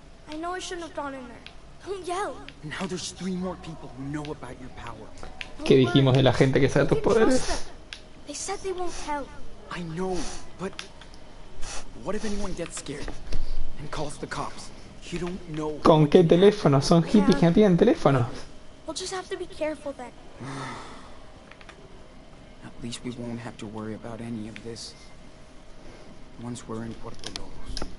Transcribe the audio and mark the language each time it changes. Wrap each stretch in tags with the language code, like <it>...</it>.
<en>I know I shouldn't have gone in there. Don't yell. Now there's three more people who know about your power.</en> <es>¿Qué dijimos de la gente que sabe tus poderes?</es> <en>They said they won't tell. I know, but what if anyone gets scared and calls the cops? You don't know.</en> <es>¿Con qué teléfono? Son hippies que no tienen teléfono.</es> <en>We'll just have to be careful then. At least we won't have to worry about any of this once we're in Puerto Lobos.</en>